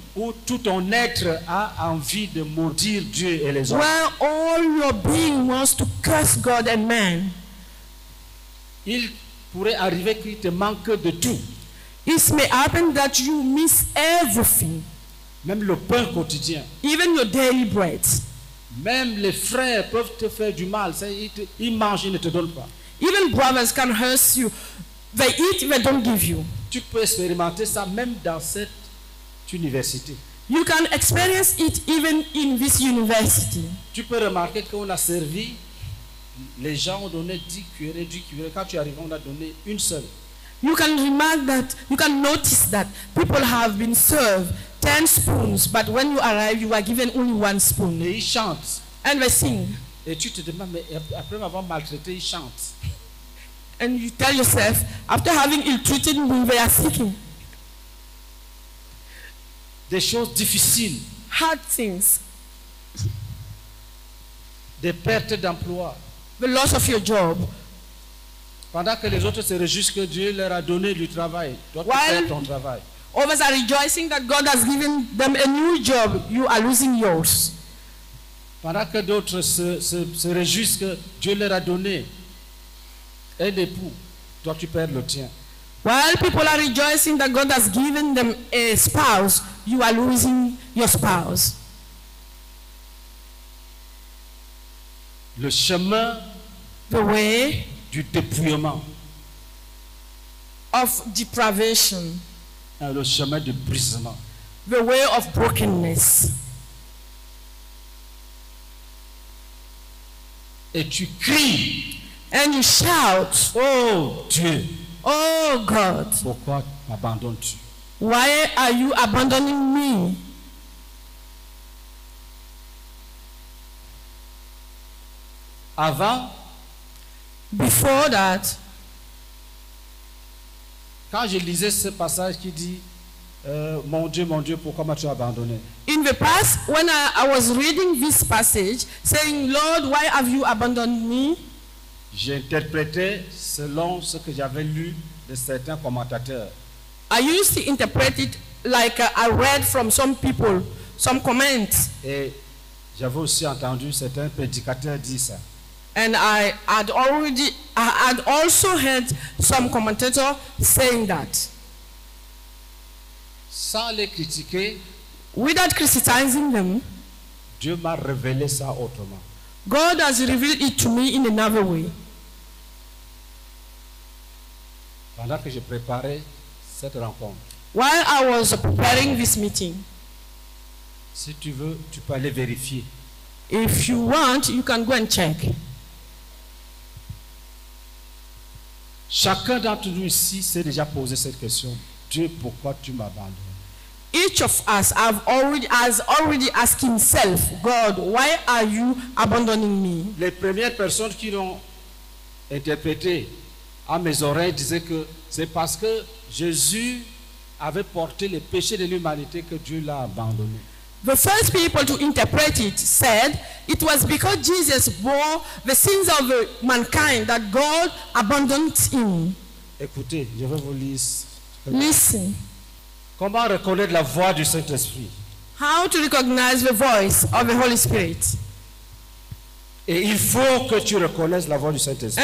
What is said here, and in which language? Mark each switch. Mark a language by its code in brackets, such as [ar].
[fr] Où tout ton être a envie de maudire Dieu et les hommes. [en] Where all your being wants to curse God and man. [fr] Il pourrait arriver qu'il te manque de tout. [en] It may happen that you miss everything. [fr] Même le pain quotidien. [en] Even your daily bread. [fr] Même les frères peuvent te faire du mal. Ils mangent, ils ne te donnent pas. [en] Even brothers can hurt you. They eat, they don't give you. [fr] Tu peux expérimenter ça même dans cette université. [en] You can experience it even in this university. [fr] Tu peux remarquer qu'on a servi, les gens ont donné 10 cuillères, 10 cuillères. Quand tu arrives, on a donné une seule. [en] You can remark that, you can notice that people have been served 10 spoons, but when you arrive, you are given only one spoon. [fr] Et ils chantent. [en] And they sing. [fr] Et tu te demandes, mais après m'avoir maltraité, ils chantent. [en] And you tell yourself, after having ill-treated me, they are seeking. [fr] Des choses difficiles. [en] Hard things. [fr] Des pertes d'emploi. [en] The loss of your job. [fr] Pendant que les autres se réjouissent que Dieu leur a donné du travail, toi tu perds ton travail. [en] Others are rejoicing that God has given them a new job, you are losing yours. [fr] Pendant que d'autres se réjouissent que Dieu leur a donné un époux, toi tu perds le tien. [en] While people are rejoicing that God has given them a spouse, you are losing your spouse. [fr] Le chemin, [en] the way, [fr] du dépouillement, [en] of depravation, [fr] le chemin du brisement, [en] the way of brokenness. [fr] Et tu cries, [en] and you shout, [fr] oh Dieu, [en] oh God, [fr] pourquoi m'abandonnes-tu? [en] Why are you abandoning me? [fr] Avant, [en] before that, [fr] quand je lisais ce passage qui dit mon Dieu, pourquoi m'as-tu abandonné? [en] In the past, when I was reading this passage, saying, Lord, why have you abandoned me? [fr] J'interprétais selon ce que j'avais lu de certains commentateurs. [en] I used to interpret it like I read from some people, some comments. [fr] Et j'avais aussi entendu certains prédicateurs dire ça. [en] And I had also heard some commentator saying that. [fr] Sans les critiquer, [en] without criticizing them, [fr] Dieu m'a révélé ça autrement. [en] God has revealed it to me in another way. [fr] Pendant que je préparais cette rencontre, [en] while I was preparing this meeting, [fr] si tu veux, tu peux aller vérifier. [en] If you want, you can go and check. [fr] Chacun d'entre nous ici s'est déjà posé cette question. Dieu, pourquoi tu m'abandonnes? [en] Each of us has already asked himself, God, why are you abandoning me? [fr] Les premières personnes qui l'ont interprété à mes oreilles disaient que c'est parce que Jésus avait porté les péchés de l'humanité que Dieu l'a abandonné. [en] The first people to interpret it said it was because Jesus bore the sins of mankind that God abandoned him. [fr] Écoutez, je vais vous lire. [en] Listen. [fr] Comment reconnaître la voix du Saint-Esprit? [en] How to recognize the voice of the Holy Spirit? [fr] Et il faut que tu reconnaisses la voix du Saint-Esprit.